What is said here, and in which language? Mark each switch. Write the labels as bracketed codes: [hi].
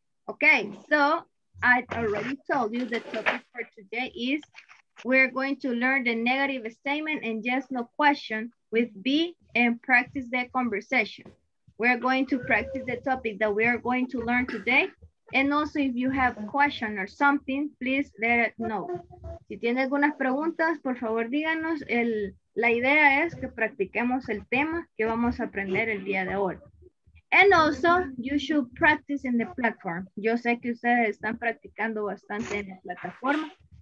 [en] Okay, so I already told you the topic for today is we're going to learn the negative statement and yes, no question with B and practice the conversation. We're going to practice the topic that we are going to learn today. And also, if you have question or something, please let it know. [es] Si tiene algunas preguntas, por favor, díganos. La idea es que practiquemos el tema que vamos a aprender el día de hoy. [en] And also, you should practice in the platform. [es] Yo sé que ustedes están practicando bastante en la plataforma.